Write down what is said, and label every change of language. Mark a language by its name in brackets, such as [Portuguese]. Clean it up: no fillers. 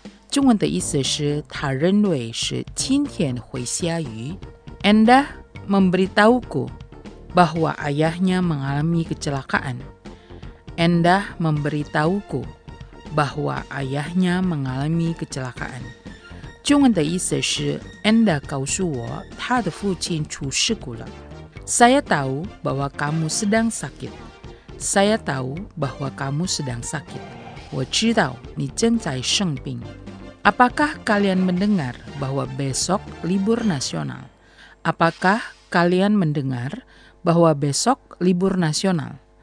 [Chinese] 中文的意思是，他认为是今天会下雨。 [Indonesian] Enda memberitahuku， bahwa ayahnya mengalami kecelakaan. Endah memberitahuku bahwa ayahnya mengalami kecelakaan. [Chinese] 中文的意思是 Endah 告诉我他的父亲出事故了. [Indonesian] Saya tahu bahwa kamu sedang sakit. Saya tahu bahwa kamu sedang sakit. [Chinese] 我知道你正在生病. [Indonesian] Apakah kalian mendengar bahwa besok libur nasional? Apakah kalian mendengar bahwa besok libur nasional?